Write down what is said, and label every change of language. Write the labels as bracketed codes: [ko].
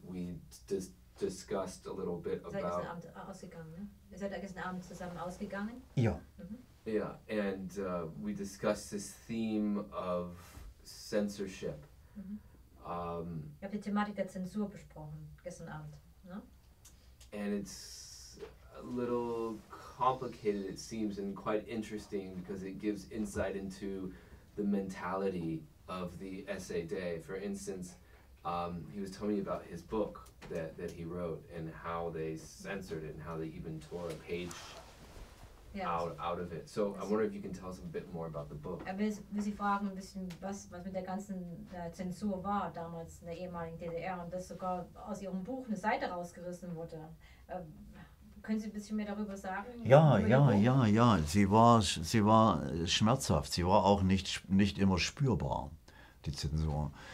[en] We discussed a little bit about. [de] Seid gestern Abend ausgegangen? Ne? Seid gestern Abend zusammen ausgegangen? Ja. Mm-hmm. [en] Yeah, and we discussed this theme of censorship. Mm-hmm. [de] Ich habe die Thematik der Zensur besprochen gestern Abend. Ne? [en] And it's a little complicated, it seems, and quite interesting because it gives insight into the mentality of the SAD. For instance. He was telling me about his book that he wrote and how they censored it and how they even tore a page out of it. So I wonder if you can tell us a bit more about the book. [de] Will Sie fragen ein bisschen, was mit der ganzen Zensur war damals in der ehemaligen DDR und dass sogar aus Ihrem Buch eine Seite rausgerissen wurde. Können Sie ein bisschen mehr darüber sagen? Ja. Sie war schmerzhaft. Sie war auch nicht immer spürbar, die Zensur.